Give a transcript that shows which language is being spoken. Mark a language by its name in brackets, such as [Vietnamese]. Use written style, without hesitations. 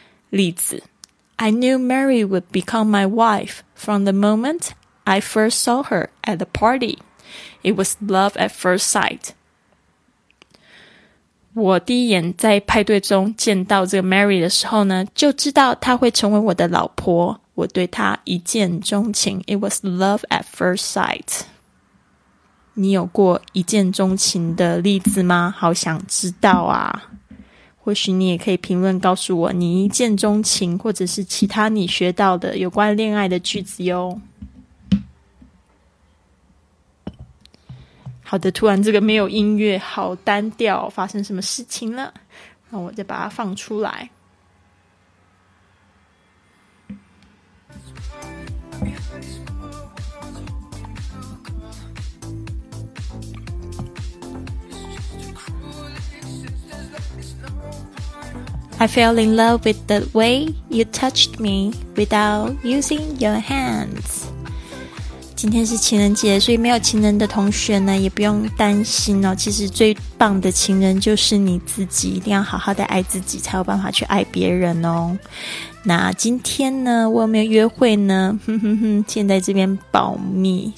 [Chinese] 例子， [English] I knew Mary would become my wife from the moment I first saw her at the party. It was love at first sight. [Chinese] 我第一眼在派对中见到这个 Mary 的时候呢，就知道她会成为我的老婆。我对她一见钟情。 [English] It was love at first sight. [Chinese] 你有过一见钟情的例子吗？好想知道啊。或许你也可以评论告诉我你一见钟情，或者是其他你学到的有关恋爱的句子哟。好的，突然这个没有音乐，好单调，发生什么事情了？那我再把它放出来。 [English] I fell in love with the way you touched me without using your hands. [Chinese] 今天是情人节，所以没有情人的同学呢也不用担心哦。其实最棒的情人就是你自己，一定要好好的爱自己才有办法去爱别人哦。那今天呢我有没有约会呢，哼哼哼，现在这边保密。